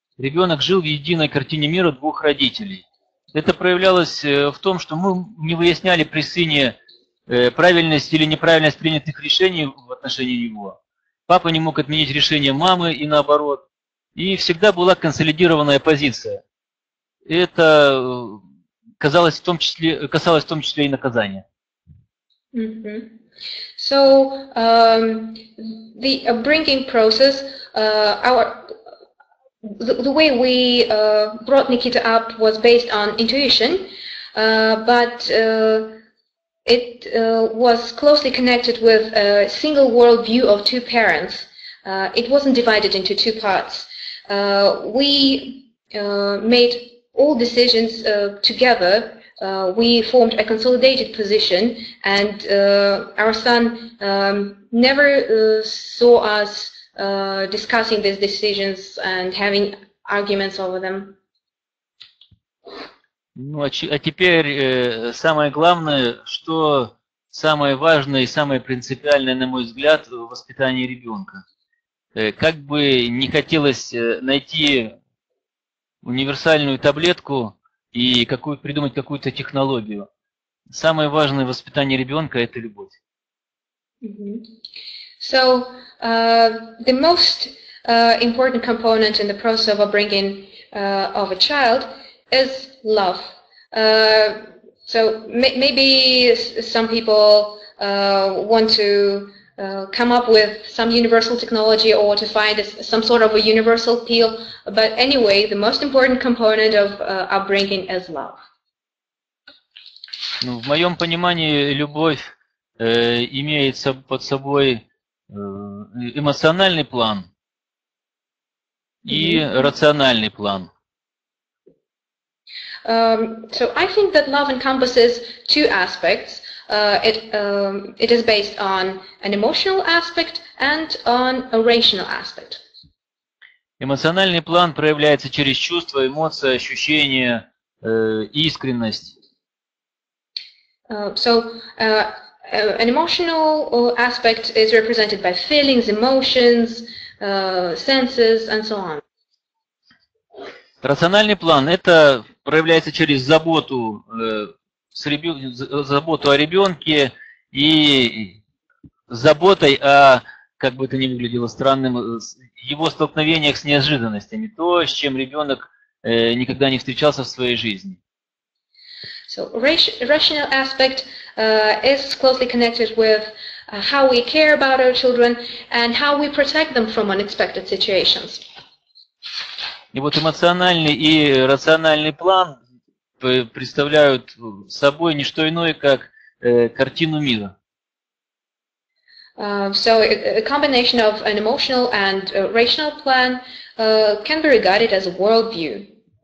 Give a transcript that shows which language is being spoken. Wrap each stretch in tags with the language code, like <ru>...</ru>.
<ru>Ребенок жил в единой картине мира двух родителей. Это проявлялось в том, что мы не выясняли при сыне правильность или неправильность принятых решений в отношении него. Папа не мог отменить решение мамы и наоборот. И всегда была консолидированная позиция. Это... Касалось в том числе и наказания.</ru> <en>The upbringing process, the way we brought Nikita up was based on intuition, but it was closely connected with a single world view of two parents. It wasn't divided into two parts. We made all decisions together, we formed a consolidated position, and our son never saw us discussing these decisions and having arguments over them.</en> <ru>Ну, а теперь самое главное, что самое важное и самое принципиальное, на мой взгляд, в воспитании ребенка. Как бы не хотелось найти универсальную таблетку и придумать какую-то технологию. Самое важное в воспитании ребенка – это любовь.</ru> <en>So, the most important component in the process of upbringing of a child is love. So maybe some people want to come up with some universal technology or to find some sort of a universal pill. But anyway, the most important component of upbringing is love.</en> <ru>Ну, в моем понимании, любовь имеется под собой эмоциональный план и рациональный план.</ru> <en>So I think that love encompasses two aspects. It is based on an emotional aspect and on a rational aspect.</en> <ru>Эмоциональный план проявляется через чувства, эмоции, ощущения, искренность.</ru> <en>An emotional aspect is represented by feelings, emotions, senses and so on.</en> <ru>Рациональный план – это проявляется через заботу, заботу о ребенке и заботой о, как бы это ни выглядело странным, его столкновениях с неожиданностями, то, с чем ребенок никогда не встречался в своей жизни.</ru> <en>So, rational aspect is closely connected with how we care about our children and how we protect them from unexpected situations.</en> <ru>И вот эмоциональный и рациональный план представляют собой не что иное, как картину мира.</ru> <en>So, a combination of an emotional and rational plan can be regarded as a worldview.</en>